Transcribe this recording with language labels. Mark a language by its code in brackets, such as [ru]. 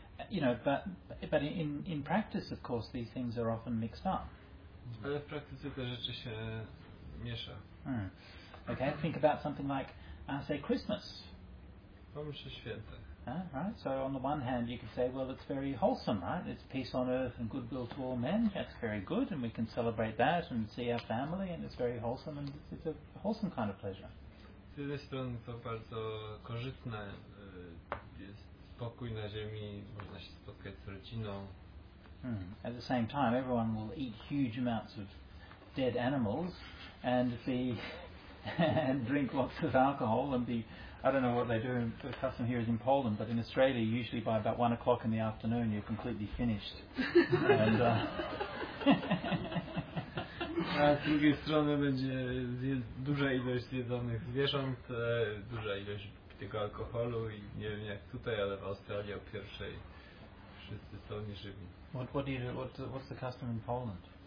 [en] You know, but in practice, of course, these things are often mixed up. [pl] Ale w praktyce te rzeczy się miesza. Hmm. [en] Okay, think about something like, say, Christmas. [pl] Pomyśl o świętach. [en] Right? So on the one hand, you could say, well, it's very wholesome, right? It's peace on earth and goodwill to all men. That's very good, and we can celebrate that and see our family, and it's very wholesome, and it's a wholesome kind of pleasure. [pl] Z jednej strony to bardzo korzystne jest. Spokój na ziemi, można się spotkać z rodziną. Hmm. [en] At the same time, everyone will eat huge amounts of dead animals and be and drink lots of alcohol and be, I don't know what they do, the custom here is in Poland, but in Australia, usually by about 1 o'clock in the afternoon, you're completely finished. And, [pl] a z drugiej strony będzie duża ilość zjedzonych zwierząt, duża ilość tego alkoholu i nie wiem jak tutaj, ale w Australii o pierwszej wszyscy są nieżywi. [en] What's the custom in Poland?